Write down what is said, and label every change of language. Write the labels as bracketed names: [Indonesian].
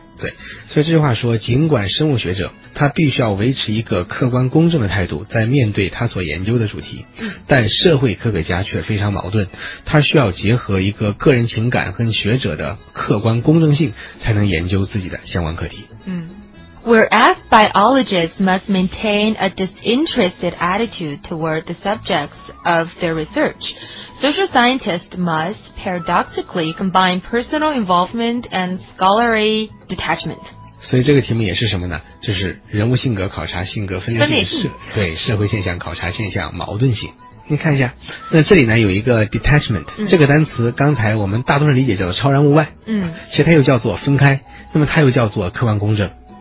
[Chinese] 对，所以这句话说尽管生物学者他必须要维持一个客观公正的态度在面对他所研究的主题，但社会科学家却非常矛盾，他需要结合一个个人情感跟学者的客观公正性才能研究自己的相关课题。 [English] 嗯， Whereas biologists must maintain a disinterested attitude toward the subjects of their research, social scientists must paradoxically combine personal involvement and scholarly detachment。 [Chinese] 所以这个题目也是什么呢？就是人物性格考察性格分裂性，对，社会现象考察现象矛盾性。你看一下，那这里呢有一个 detachment、嗯、这个单词刚才我们大多数理解叫做超然物外，嗯，其实它又叫做分开，那么它又叫做客观公正。